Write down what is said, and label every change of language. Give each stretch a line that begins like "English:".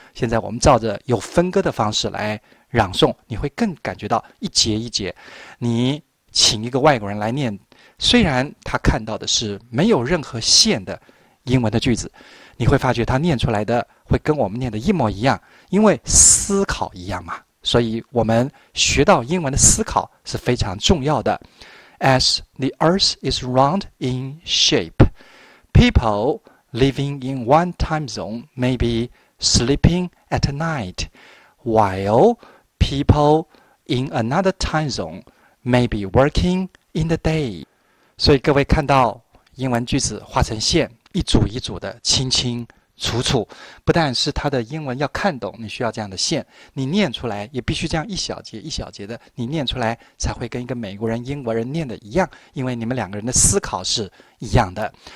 Chinese: 现在我们照着有分割的方式来朗诵，你会更感觉到一节一节，你请一个外国人来念，虽然他看到的是没有任何线的英文的句子，你会发觉他念出来的会跟我们念的一模一样，因为思考一样嘛，所以我们学到英文的思考是非常重要的。
English: As the earth is round in shape, people living in one time zone may be sleeping at nightWhile people in another time zone may be working in the day.
Chinese: 所以各位看到英文句子画成线，一组一组的清清楚楚，不但是它的英文要看懂，你需要这样的线，你念出来也必须这样一小节一小节的，你念出来才会跟一个美国人英国人念的一样，因为你们两个人的思考是一样的。